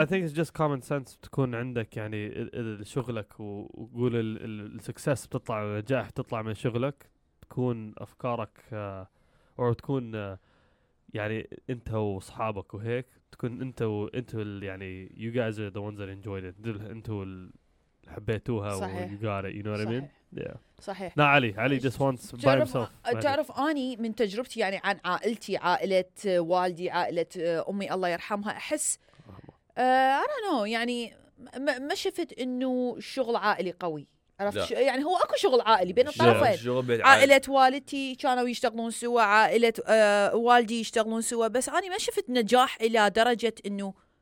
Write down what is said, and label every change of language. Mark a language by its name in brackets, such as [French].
[English] I think it's just common sense [Arabic] تكون عندك يعني شغلك وقول السكسس بتطلع نجاح بتطلع من شغلك تكون أفكارك أو تكون يعني أنت وصحابك وهيك تكون أنت وأنت يعني [English] you guys are the ones that enjoyed it [Arabic] أنت حبيتوها و [English] you got it you know what I mean [Arabic] صحيح لا [English] علي just wants by himself [Arabic] تعرف أني من تجربتي يعني عن عائلتي عائلة والدي عائلة أمي الله يرحمها أحس [English] I don't know [Arabic] يعني ما شفت إنه شغل عائلي قوي عرفت يعني هو أكو شغل عائلي بين الطرفين عائلة والدتي كانوا يشتغلون سوا عائلة والدي يشتغلون سوا بس أني ما شفت نجاح إلى درجة إنه